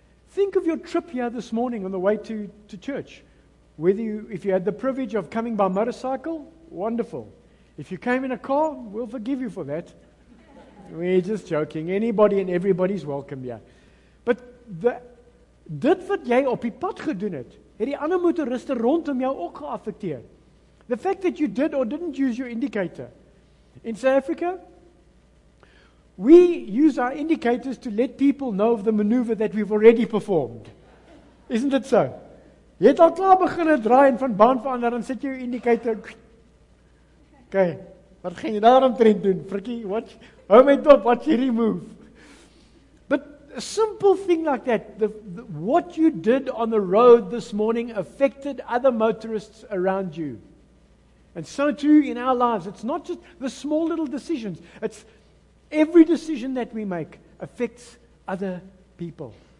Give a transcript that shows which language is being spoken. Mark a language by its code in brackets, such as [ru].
[en] Think of your trip here this morning on the way to church. Whether you, if you had the privilege of coming by motorcycle, wonderful. If you came in a car, we'll forgive you for that. We're just joking. Anybody and everybody's welcome here. [af] But dit wat jy op die pad gedoen het, het die ander motoriste rondom jou ook geaffekteer. [en] The fact that you did or didn't use your indicator. In South Africa, we use our indicators to let people know of the maneuver that we've already performed. Isn't it so? [af] Jy het al klaar begin draai en van baan verander, dan sit jy jou indicator. Okay, wat gaan jy daarom trend doen? Frikkie, watch, hou my top, watch hierdie move. [en] But a simple thing like that, what you did on the road this morning affected other motorists around you. And so too in our lives. It's not just the small little decisions. It's every decision that we make affects other people.